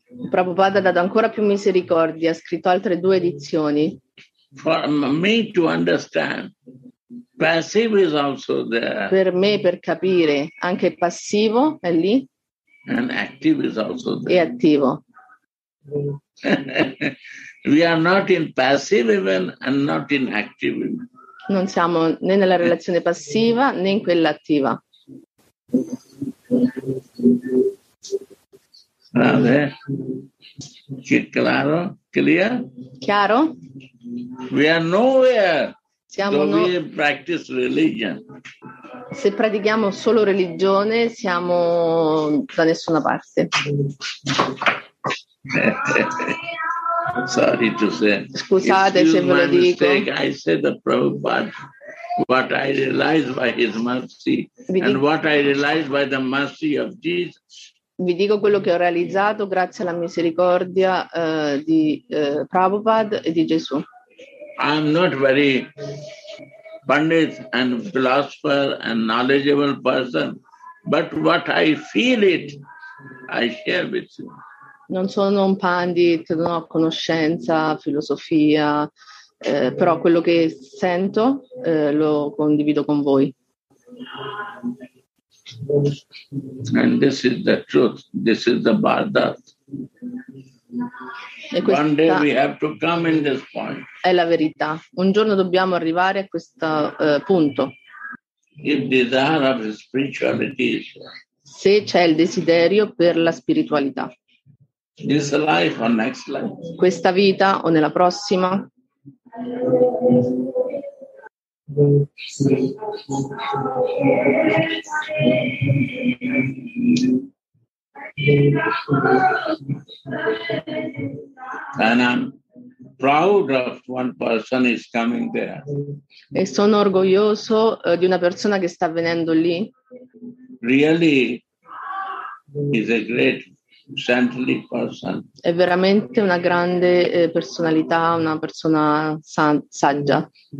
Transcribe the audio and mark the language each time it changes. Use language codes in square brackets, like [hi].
[it] Prabhupada ha dato ancora più misericordia, ha scritto altre due edizioni. [en] For me to understand, passive is also there. [it] Per me, per capire, anche passivo è lì. [en] And active is also there. [it] E attivo. [en] We are not in passive even and not in active even. [it] Non siamo né nella relazione passiva né in quella attiva. Vale. Chiaro? [en] Clear? [it] Chiaro? [en] We are nowhere [it] siamo [en] so we practice religion. [it] Se pratichiamo solo religione, siamo da nessuna parte. [en] Sorry to say. [it] Scusate se ve lo dico. [en] I said the Prabhupada, what I realized by his mercy, and what I realized by the mercy of Jesus. [it] Vi dico quello che ho realizzato grazie alla misericordia di Prabhupada e di Gesù. [en] I'm not very pandit and philosopher and knowledgeable person, but what I feel it, I share with you. [it] Non sono un pandit, non ho conoscenza, filosofia, però quello che sento lo condivido con voi. [en] And this is the truth. This is the Bhagavad. One day we have to come in this point. [it] È la verità. Un giorno dobbiamo arrivare a questo punto. [en] If desire of spirituality. [it] Se c'è il desiderio per la spiritualità. [en] This life or next life. [it] Questa vita o nella prossima. [en] And I'm proud of one person is coming there. [it] E sono orgoglioso di una persona che sta venendo lì. [en] Really is a great saintly person. [it] È veramente una grande personalità, una persona saggia.